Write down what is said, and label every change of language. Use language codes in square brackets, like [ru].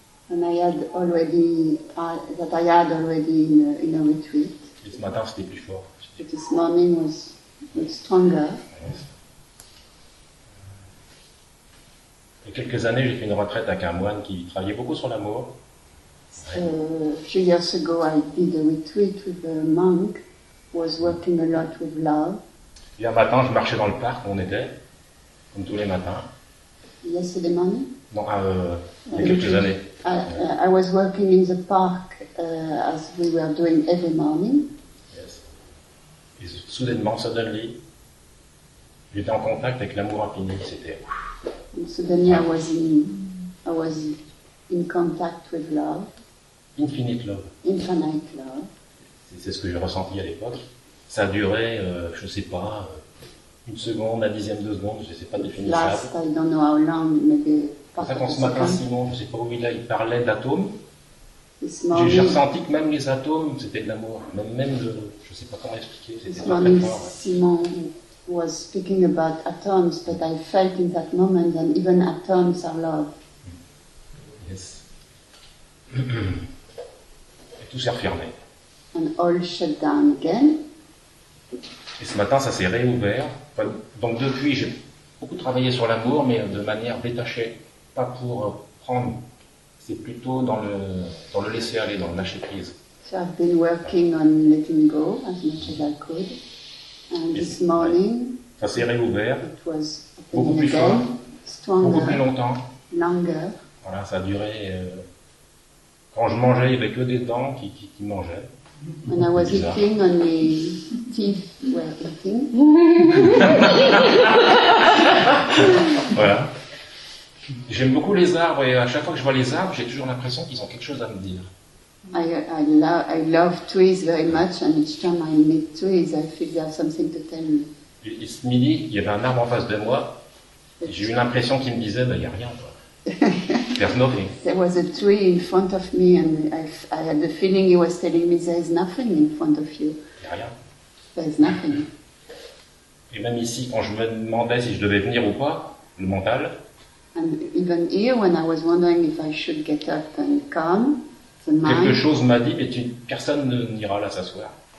[en] And I had already in a retreat. [fr] Et ce matin, c'était plus fort. [en] But this morning was stronger. Yes. [fr] Il y a quelques années, j'ai fait une retraite avec un moine qui travaillait beaucoup sur l'amour. [en] Few years ago, I did a retreat with a monk who was working a lot with love. [fr] Et un matin, je marchais dans le parc où on était, comme tous les matins. [en] Yesterday morning? [fr] Non, il y a quelques années. [en] I was working in the park as we were doing every morning. Yes. [fr] Et soudainement, suddenly, j'étais en contact avec l'amour infini, c'était... [en] Suddenly, I was in contact with love. Infinite love. Infinite love. [fr] C'est ce que j'ai ressenti à l'époque. Ça a duré, je ne sais pas, une seconde, un dixième de seconde, je ne sais pas définissable. Last, I don't know how long, maybe... C'est pour ça qu'en ce matin, Simon, je ne sais pas où il parlait d'atomes. J'ai ressenti que même les atomes, c'était de l'amour. Même de, je ne sais pas comment expliquer, c'était de l'amour. [en] Simon was speaking about atoms, but I felt in that moment that even atoms are love. [fr] Yes. Et tout s'est refermé. [en] And all shut down again. [fr] Et ce matin, ça s'est réouvert. Enfin, donc depuis, j'ai beaucoup travaillé sur l'amour, mais de manière détachée. Pas pour prendre, c'est plutôt dans le laisser aller, dans le lâcher prise. [en] So I've been working on letting go as much as I could. And this morning, [fr] ça s'est réouvert. [en] It was [fr] beaucoup plus fort, stronger, beaucoup plus longtemps. [en] Longer. [fr] Voilà, ça a duré. Quand je mangeais, il n'y avait que des dents qui mangeaient. [en] When I was eating, and my teeth were eating. [fr] Voilà. J'aime beaucoup les arbres et à chaque fois que je vois les arbres, j'ai toujours l'impression qu'ils ont quelque chose à me dire. [en] I love trees very much, and each time I meet trees, I feel they have something to tell me. [fr] Et ce midi, il y avait un arbre en face de moi. Et j'ai eu l'impression qu'il me disait, il n'y a rien. [en] There's nothing. There was a tree in front of me, and I had the feeling he was telling me there is nothing in front of you. [fr] Il n'y a rien. [en] There is nothing. [fr] Et même ici, quand je me demandais si je devais venir ou pas, le mental. [en] And even here, when I was wondering if I should get up and come, the mind. [fr] Quelque chose m'a dit, mais personne n'ira là s'asseoir.